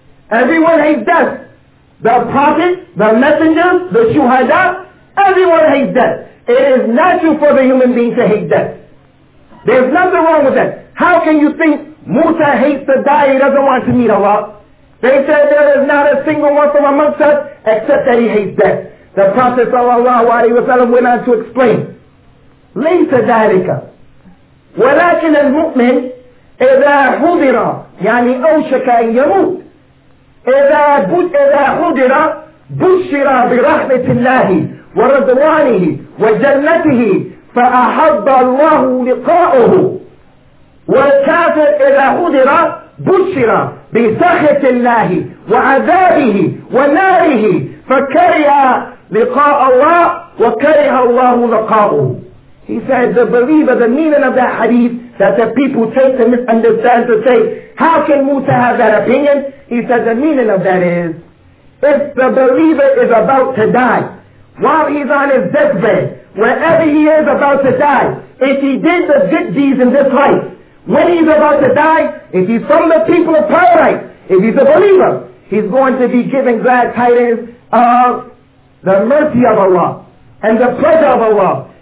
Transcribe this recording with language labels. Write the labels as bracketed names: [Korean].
[English] Everyone hates death. The prophet, the messenger, the shuhada, everyone hates death. It is natural for the human being to hate death. There's nothing wrong with that. How can you think Musa hates to die, he doesn't want to meet Allah? They said there is not a single one from amongst us except that he hates death. The Prophet sallallahu alaihi wasallam went on to explain, [Arabic] لَيْسَ ذَلِكَ وَلَكِنَ الْمُؤْمِنِ إِذَا حُضِرَ يعني أَوْشَكَ أَنْ يَمُوتِ إِذَا حُضِرَ بُشِّرَ بِرَحْمَةِ اللَّهِ وَرَضْوَانِهِ وَجَنَّتِهِ فَأَحَبَّ اللَّهُ لِقَاؤُهُ وَالْكَافِرُ إِذَا حُضِرَ بُشِّرَ بِسَخَطِ اللَّهِ وَعَذَابِهِ وَنَارِهِ فَكَرِهَ لِقَاءَ اللَّهِ وَكَرِهَ اللَّهُ لِقَاؤُهُ. [English] He said, the believer, the meaning of that hadith that the people take to misunderstand to say, how can Musa have that opinion? He said, the meaning of that is, if the believer is about to die, while he's on his deathbed, wherever he is about to die, if he did the good deeds in this life, when he's about to die, if he's from the people of paradise, if he's a believer, he's going to be given glad tidings of the mercy of Allah and the pleasure of Allah.